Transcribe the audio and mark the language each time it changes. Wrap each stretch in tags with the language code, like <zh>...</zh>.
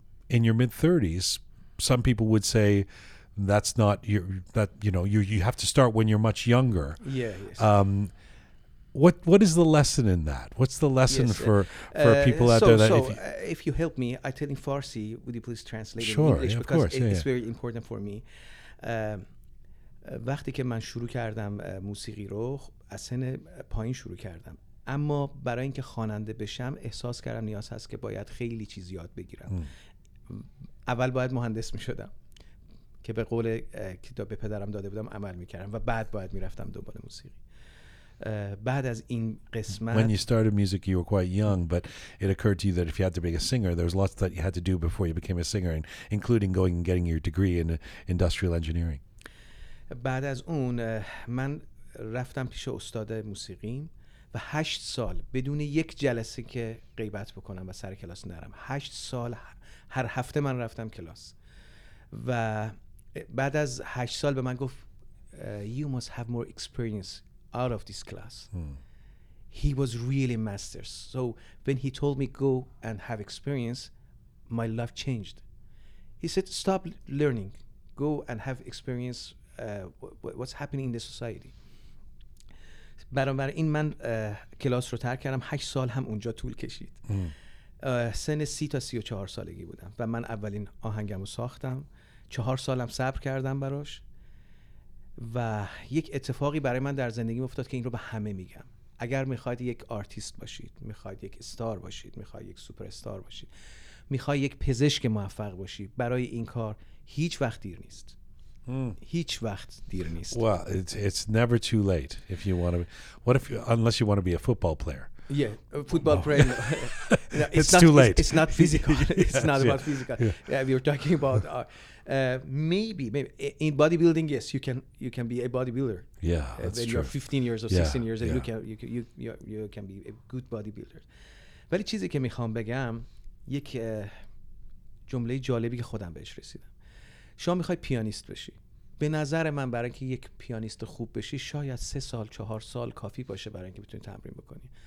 <en>In your mid 30s, some people would say that's not your, that, you know, you have to start when you're much younger. Yeah. What is the lesson in that? What's the lesson for people out there? If you help me, I tell in Farsi, would you please translate sure, in English? Yeah, of course. Because it's very important for me.</en> <fa>وقتی که من شروع کردم موسیقی رو از سن پایین شروع کردم. اما برای اینکه خواننده بشم احساس کردم نیاز هست که باید خیلی چیز یاد بگیرم. اول باید مهندس می شدم. که به قول کتاب به پدرم داده بودم عمل می کردم و بعد باید می رفتم دوباره موسیقی. بعد از این قسمت</fa> <en>When you started music you were quite young, but it occurred to you that if you had to be a singer there was lots that you had to do before you became a singer, including going and getting your degree in industrial engineering.</en> <fa>بعد از اون من رفتم پیش استاد موسیقیم و 8 سال بدون یک جلسه که غیبت بکنم و سر کلاس نرم. 8 سال هر هفته من رفتم کلاس و بعد از 8 سال به من گفت</fa> <en>you must have more experience out of this class. He was really master. So when he told me go and have experience, my life changed. He said stop learning, go and have experience what's happening in the society.</en> <fa>بنابراین من کلاس رو ترک کردم. 8 سال هم اونجا طول کشید. سن 30 تا 34 سالگی بودم و من اولین آهنگمو ساختم. 4 سالم صبر کردم براش. و یک اتفاقی برای من در زندگی افتاد که این رو به همه میگم. اگر میخواید یک آرتیست باشید، میخواید یک استار باشید، میخواید یک سوپر استار باشید، میخواید یک پزشک موفق باشید، برای این کار هیچ وقت دیر نیست. هیچ وقت دیر نیست.</fa> <en>Well, it's never too late if you want to. What if you, unless you want to be a football player? Yeah, football player. No, it's too late. It's not physical. Yes, it's not about physical. Yeah, we were talking about. Maybe in bodybuilding, yes, you can be a bodybuilder. Yeah, that's when true. You're 15 years or 16 years, and you can be a good bodybuilder.</en> <fa>ولی چیزی که میخوام بگم یک جمله جالبی که خودم بهش رسیدم. شما میخوای پیانیست بشی. به نظر من برای اینکه یک پیانیست خوب بشی شاید 3 سال 4 سال کافی باشه برای اینکه بتونی تمرین بکنی.</fa>